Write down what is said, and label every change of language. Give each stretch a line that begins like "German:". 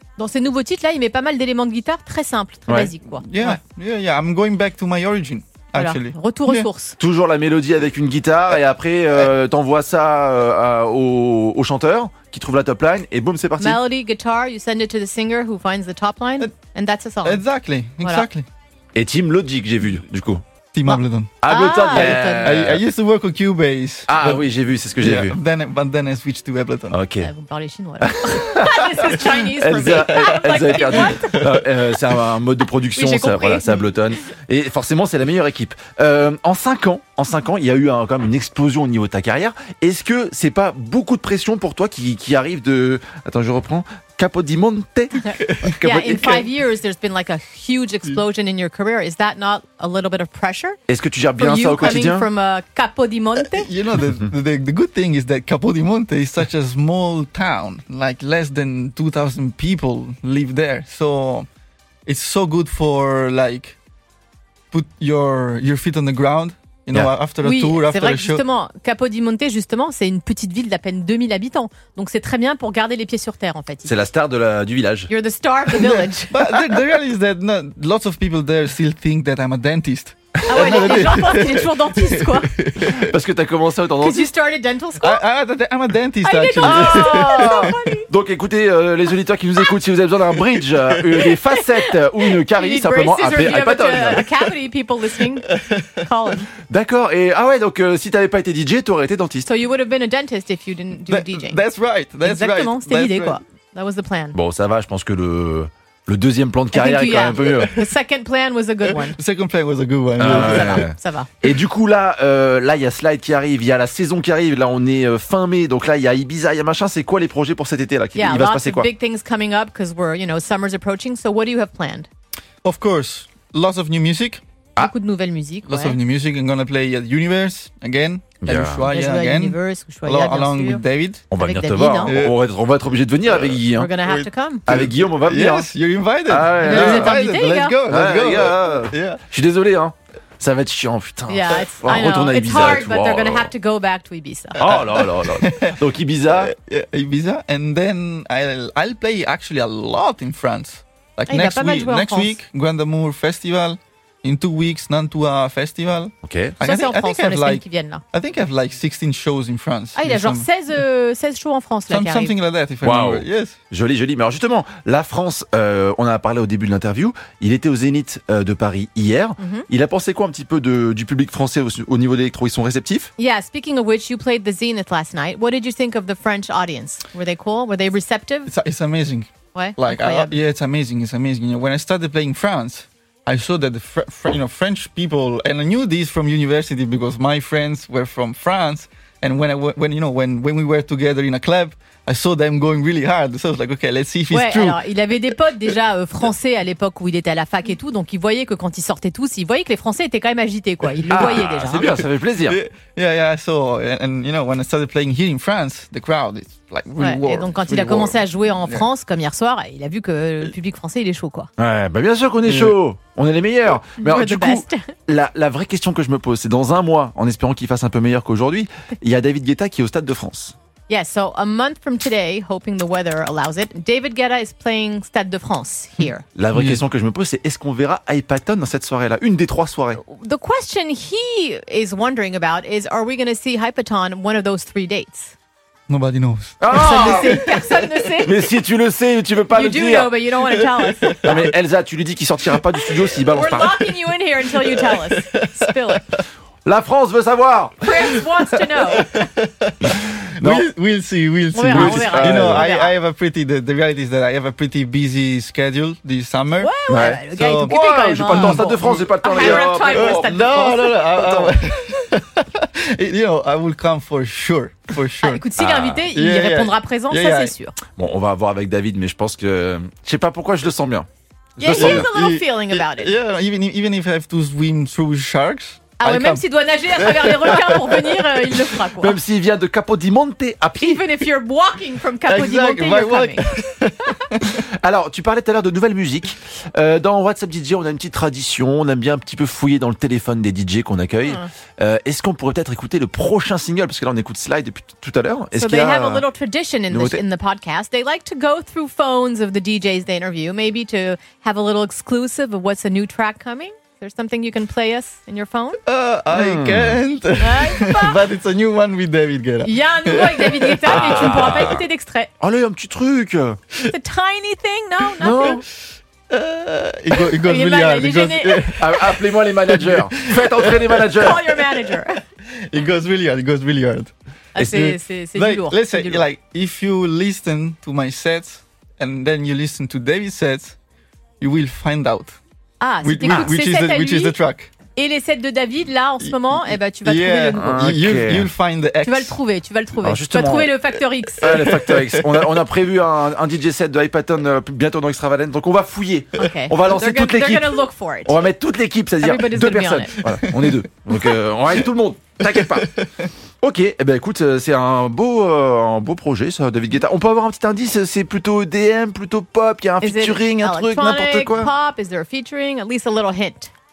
French: Dans ces nouveaux titres-là, il met pas mal d'éléments de guitare très simples, très basiques, quoi.
English: Yeah. I'm going back to my origin.
French: Voilà, retour aux sources. Toujours la mélodie avec une guitare et après t'envoies ça au chanteur qui trouve la top line et boum, c'est parti.
English: Melody, guitar, you send it to the singer who finds the top line and that's a song. Exactly, exactly.
French: Voilà. Et Team Logic, j'ai vu du coup. Team Ableton. Ableton.
English: Yeah. I used to work on Cubase.
French: Oui, j'ai vu.
English: But then I switched to Ableton. Ok.
French: Vous parlez chinois.
English: This is Chinese for me.
French: C'est un mode de production, oui, c'est Ableton. Et forcément, c'est la meilleure équipe. En cinq ans, il y a eu quand même une explosion au niveau de ta carrière. Est-ce que c'est pas beaucoup de pression pour toi qui arrive de... Attends, je reprends. Capodimonte.
English: Yeah, in 5 years, there's been like a huge explosion in your career. Is that not a little bit of pressure?
French: Est-ce que tu gères bien ça au quotidien?
English: Coming from a Capodimonte? You know, the good thing is that Capodimonte is such a small town. Like less than 2,000 people live there. So it's so good for like put your feet on the ground.
French: Justement, Capodimonte, justement, c'est une petite ville d'à peine 2000 habitants. Donc, c'est très bien pour garder les pieds sur terre, en fait. C'est la star du village.
English: You're the star of the village. But the reality is that lots of people there still think that I'm a dentist.
French: Ah ouais, les gens pensent qu'il est toujours dentiste, quoi. Parce que t'as commencé autant dentiste.
English: Because you started dental school. I'm a dentist, actually. Oh, so
French: donc écoutez, les auditeurs qui nous écoutent, si vous avez besoin d'un bridge, des facettes ou une carie, simplement appelez iPaton.
English: A cavity, people listening, call him.
French: D'accord, et ah ouais, donc si t'avais pas été DJ, t'aurais été dentiste.
English: So you would have been a dentist if you didn't do DJ. That's right, that's right.
French: Exactement, c'était l'idée,
English: right. Quoi. That was the plan.
French: Bon, ça va, je pense que le... Le deuxième plan de carrière est quand même un peu mieux.
English: The second plan was a good one. The second plan was a good one.
French: Ça va. Et du coup, là, là, il y a Slide qui arrive, il y a la saison qui arrive. Là, on est fin mai, donc là, il y a Ibiza, il y a machin. C'est quoi les projets pour cet été là?
English: Yeah,
French: il va se passer quoi?
English: Big things coming up because we're, you know, summer's approaching. So, what do you have planned? Of course, lots of new music.
French: Beaucoup de nouvelles musiques.
English: Lots of new music. I'm gonna play at Universe again. Yeah. Ushuaïa again. Ushuaïa, along with David.
French: On va venir te voir. On va être obligé de venir avec Guy.
English: We're gonna have to come.
French: Avec Guillaume, on va venir.
English: Yes, you're invited.
French: Ah, yeah. Vous êtes invité,
English: Let's go. Let's go.
French: Yeah. Je suis désolé, hein. Ça va être chiant, putain.
English: Yeah, it's,
French: retourne à Ibiza.
English: It's hard, but they're gonna have to go back to Ibiza.
French: Oh là là là. Donc Ibiza. Ibiza.
English: And then I'll play actually a lot in France. Like next week. Next week, Grand Amour Festival. In 2 weeks, Nantua Festival. Ok. I think I have like 16 shows in France.
French: Ah, il y a genre 16 shows en France, là,
English: something like that, if wow. I remember. Yes.
French: Joli, joli. Mais alors, justement, la France, on en a parlé au début de l'interview. Il était au Zénith de Paris hier. Mm-hmm. Il a pensé quoi un petit peu du public français au niveau d'électro? Ils sont réceptifs?
English: Yeah, speaking of which, you played the Zénith last night. What did you think of the French audience? Were they cool? Were they receptive? It's amazing. What? Like, it's amazing. It's amazing. You know, when I started playing France, I saw that the French people, and I knew this from university because my friends were from France, and when we were together in a club, I saw them going really hard. So I was like, okay, let's see if it's true.
French: Alors, il avait des potes déjà français à l'époque où il était à la fac et tout, donc il voyait que quand ils sortaient tous, il voyait que les Français étaient quand même agités, quoi. Il le voyait déjà. C'est hein. Bien, ça fait plaisir.
English: Yeah. So and you know, when I started playing here in France, the crowd is like really warm.
French: Et donc quand
English: really
French: il a commencé à jouer en France comme hier soir, il a vu que le public français il est chaud, quoi. Ouais, bah bien sûr qu'on est chaud. On est les meilleurs. Mais alors, du coup, la vraie question que je me pose, c'est dans un mois, en espérant qu'il fasse un peu meilleur qu'aujourd'hui, il y a David Guetta qui est au Stade de France.
English: Yeah, so a month from today, hoping the weather allows it, David Guetta is playing Stade de France here.
French: La vraie question que je me pose, c'est est-ce qu'on verra iPaton dans cette soirée-là, une des trois soirées?
English: The question he is wondering about is, are we going to see iPaton one of those three dates? Nobody knows.
French: Personne ne sait. Personne ne sait. Mais si tu le sais, tu veux pas
English: you
French: le dire.
English: You do know, but you don't want to tell us.
French: Non mais Elsa, tu lui dis qu'il sortira pas du studio s'il balance
English: pas. We're locking you in here until you tell us. Spill it.
French: La France veut savoir.
English: France wants to know. No. We'll see.
French: On verra.
English: You know, I have a pretty. The reality is that I have a pretty busy schedule this summer.
French: Ouais. So, Stade de France, j'ai pas le temps.
English: No. You know, I will come for sure.
French: Ah, écoute, s'il est invité, il répondra présent, c'est sûr. Bon, on va voir avec David, mais je pense que je sais pas pourquoi je le sens bien.
English: Even if I have to swim through sharks.
French: Ah ouais, même s'il doit nager à travers les requins pour venir, il le fera, quoi. Même s'il vient de Capodimonte à pied.
English: Even if you're walking from Capodimonte, you're coming.
French: Alors, tu parlais tout à l'heure de nouvelle musique. Dans WhatsApp DJ, on a une petite tradition. On aime bien un petit peu fouiller dans le téléphone des DJ qu'on accueille. Est-ce qu'on pourrait peut-être écouter le prochain single? Parce que là, on écoute Slide depuis tout à l'heure. Est-ce qu'il y a
English: they have a little tradition in the podcast. They like to go through phones of the DJs they interview. Maybe to have a little exclusive of what's a new track coming. There's something you can play us in your phone? I can't. But it's a new one with David Guetta.
French: Il y a un nouveau avec David Guetta, mais tu ne pourras pas écouter d'extrait. Allez, un petit truc.
English: It's a tiny thing, no? Nothing. No. It goes really hard.
French: Appelez-moi les managers. Faites entrer les managers.
English: Call your manager. It goes really hard.
French: C'est du lourd.
English: Let's say, like, if you listen to my sets and then you listen to David's sets, you will find out.
French: Ah, c'est écoute,
English: which,
French: c'est
English: is the, which is the track.
French: Et les sets de David, là, en ce moment, tu vas trouver le
English: okay. You'll find the X.
French: Tu vas le trouver. Alors, tu vas trouver le Factor X. Le Factor X. On a prévu un DJ set de iPaton bientôt dans Extravalent, donc on va fouiller.
English: Okay.
French: On va lancer toute l'équipe.
English: They're gonna look for it.
French: On va mettre toute l'équipe, c'est-à-dire
English: everybody's
French: deux personnes. Voilà, on est deux. Donc on va mettre tout le monde. T'inquiète pas. Ok, écoute, c'est un beau projet, ça, David Guetta. On peut avoir un petit indice, c'est plutôt EDM, plutôt pop, il y a un featuring, un truc, n'importe quoi.
English: Pop, is there a featuring, at least a little hint.